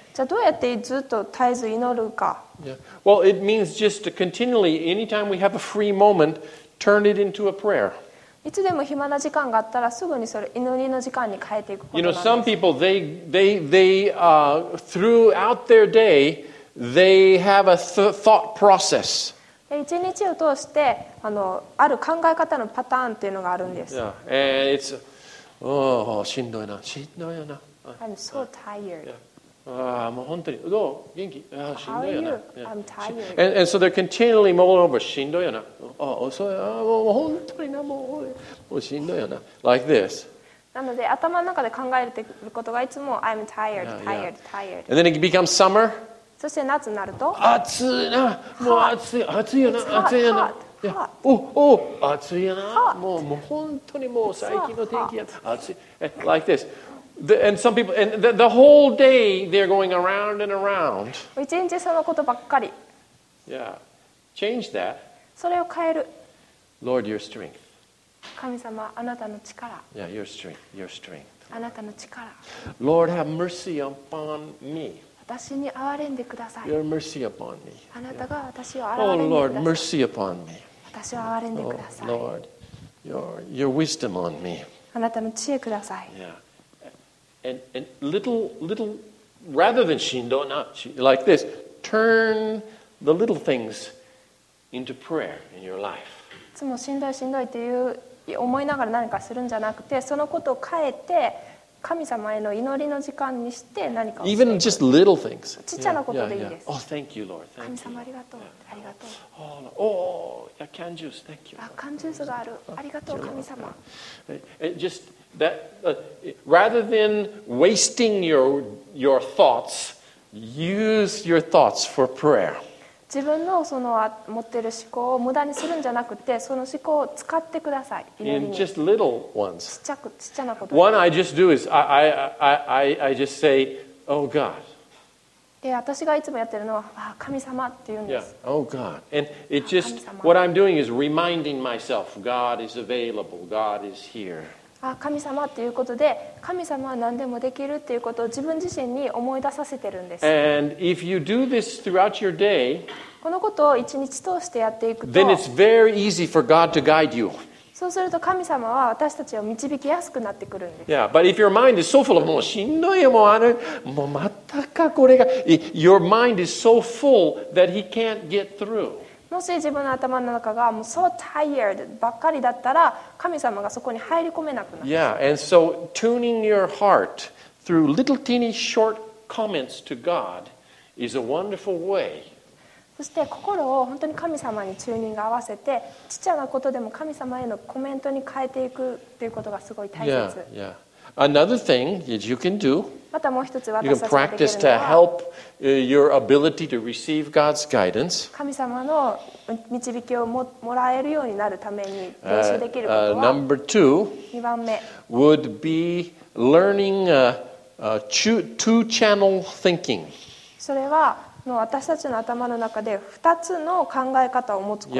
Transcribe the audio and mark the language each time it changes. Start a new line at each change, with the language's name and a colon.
Japanese: じゃあどうやってずっと絶えず祈るか。
English: Yeah. Well, it means just to continually, anytime we have a free moment, turn it into a prayer.
Japanese: いつでも暇な時間があったらすぐにそれ祈りの時間に変えていくことなんです。
English: You know, some people, they throughout their day, they have a thought process.
Japanese: 一日を通して ある考え方のパターンっていうのがあるんです。
English: Yeah. And it's, oh,
Japanese: しんどいな、しんどいな。
English: I'm so tired. Yeah.
Japanese: もう本当に、どう元気、ah, しんどいな。
English: How are you? Yeah. I'm tired. And so they're continually mulling over,
Japanese: しんどいな。遅い、もう本当にな、もうしんどいな。
English: Like this.
Japanese: なので頭の中で考えていることがいつも
English: I'm tired, yeah, tired, yeah. tired. And then it becomes summer.
Japanese: そして夏になると暑いな、もう暑い、暑いよな、暑いよな、おお、暑いよな、もう本当にもう最近の天気や、暑い、
English: like this, and some people, and the whole day they're going around and around.
Japanese: 一日そのことばっかり。
English: Yeah, change that.
Japanese: それを変える。
English: Lord, your strength.
Japanese: 神様、あなたの力。
English: Yeah, your strength, your strength.
Japanese: あなたの力。
English: Lord, have mercy upon me.
Japanese: 私に憐れんでください。
English: Your mercy upon me.
Japanese: あなたが私を憐れんでください。
English: Oh Lord, mercy upon me.
Japanese: 私を憐れんでください。
English: Oh Lord, your wisdom on me.
Japanese: あなたの知恵ください。
English: Yeah. And little rather than
Japanese: しんどな
English: like this, turn the little things into prayer in your life.
Japanese: いつもしんどいしんどいっていう思いながら何かするんじゃなくて、そのことを変えて。神様への祈りの時間にして何かをして
English: Even just little things.
Japanese: ちっちゃなことでいいです。
English: Yeah, yeah, yeah. Oh, thank you, Lord. Thank
Japanese: 神様ありがとう。
English: Yeah.
Japanese: ありがとう。
English: Oh, yeah, canned juice. Thank you.
Japanese: あ、缶ジュースがある。ありがとう、神様。
English: Just that, rather than wasting your thoughts, use your thoughts for prayer.
Japanese: 自分のその持ってる思考を無駄にするんじゃなくて、その思考を使ってください。
English: In just little ones.
Japanese: ちっちゃなこと。
English: One I just do is I just say, Oh God.
Japanese: で、私がいつもやってるのは、あ、神様って言うんです。
English: Yeah. Oh God. And it just, what I'm doing is reminding myself, God is available, God is here.
Japanese: あ、神様っていうことで、神様は何でもできるっていうことを自分自身に思い出させてるんです。
English: And if you do this throughout your day,
Japanese: このことを一日通してやっていくと、
English: then it's very easy for God to guide you.
Japanese: そうすると神様は私たちを導きやすくなってくるんです。
English: Yeah, but if your mind is so full of,
Japanese: もうしんどいよ、もうあの、もうまたかこれが、
English: your mind is so full that he can't get through。
Japanese: もし自分の頭の中がもう
English: so tired
Japanese: ばっかりだったら、神様がそこに入り込めなくなる。
English: Yeah, and so tuning your heart through little teeny short comments to God is a wonderful way.
Japanese: そして心を本当に神様にチューニング合わせて、ちっちゃなことでも神様へのコメントに変えていくということがすごい大切。
English: Yeah, yeah. Another thing is you can do.
Japanese: またもう一つ私たちができるのは、
English: you can practice to help your ability to receive God's guidance.
Japanese: 神様の導きを もらえるようになるために練習できることは、
English: number two,
Japanese: 2番目
English: would be learning two channel thinking.
Japanese: それは私たちの頭の中で2つの考え方を持つこと。